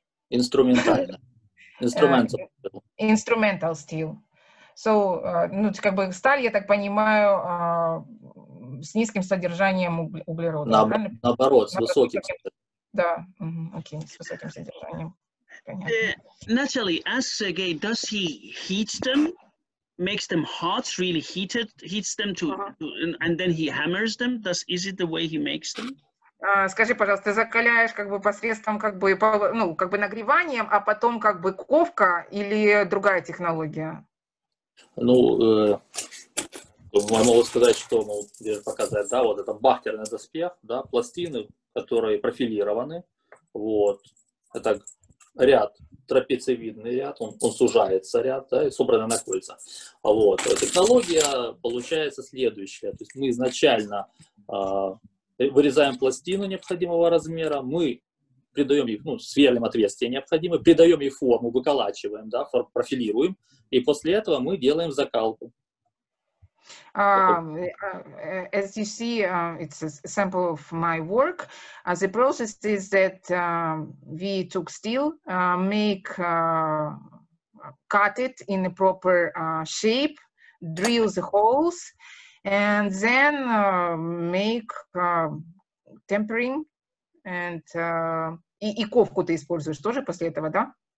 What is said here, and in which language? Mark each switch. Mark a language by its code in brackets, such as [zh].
[ru] Инструментально. [en] Instrumental steel. [ru] So, ну, как бы сталь, я так понимаю, с низким содержанием углерода. Наоборот, с высоким содержанием. Да, окей, с высоким содержанием. [en] Natalie, as Sergei, does he heat them, makes them hot, really heated, heats them to, and then he hammers them? Does, is it the way he makes them? [ru] Скажи, пожалуйста, ты закаляешь как бы посредством как бы, ну, как бы нагреванием, а потом как бы ковка или другая технология? Ну, могу сказать, что, ну, даже показать, да, вот это бахтерный доспех, да, пластины, которые профилированы, вот, это ряд, трапециевидный ряд, он сужается ряд, да, и собраны на кольца. Вот, технология получается следующая, то есть мы изначально вырезаем пластину необходимого размера, мы придаем ей, ну, сверлим отверстие необходимое, придаем ей форму, выколачиваем, да, профилируем, и после этого мы делаем закалку. [en] As you see, it's a sample of my work. The process is that we took steel, cut it in a proper shape, drill the holes, and then make tempering and [ru] и ковку ты используешь тоже после этого, да?